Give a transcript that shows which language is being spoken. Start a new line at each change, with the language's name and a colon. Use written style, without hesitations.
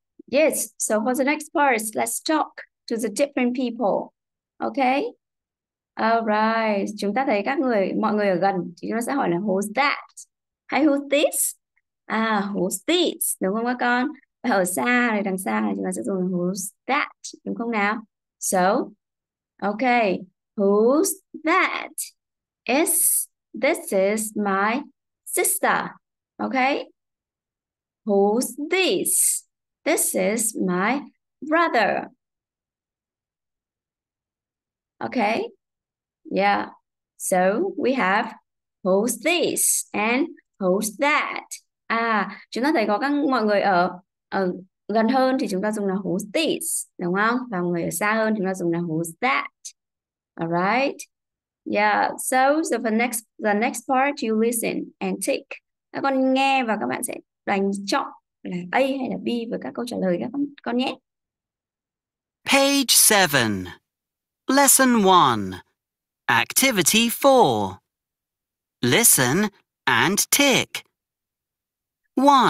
English: Yes, so for the next part, let's talk to the different people. Okay? All right.
Vietnamese: Chúng ta thấy các người, mọi người ở gần, thì chúng ta sẽ hỏi là
English: who's that?
Vietnamese: Hay
English: who's this? Who's this?
Vietnamese: Đúng không các con? Ở xa này, đằng xa này chúng ta sẽ dùng
English: who's that,
Vietnamese: đúng không nào?
English: So, okay, who's that? This is my sister. Okay? Who's this? This is my brother. Okay? Yeah. So, we have who's this and who's that.
Vietnamese: À, chúng ta thấy có các mọi người ở gần hơn thì chúng ta dùng là
English: who's this,
Vietnamese: đúng không? Và người ở xa hơn chúng ta dùng là
English: who's that. All right? Yeah, so the next part you listen and tick.
Vietnamese: Các con nghe và các bạn sẽ đánh chọn là A hay là B với các câu trả lời các con nhé.
English: Page 7. Lesson 1. Activity 4. Listen and tick. 1.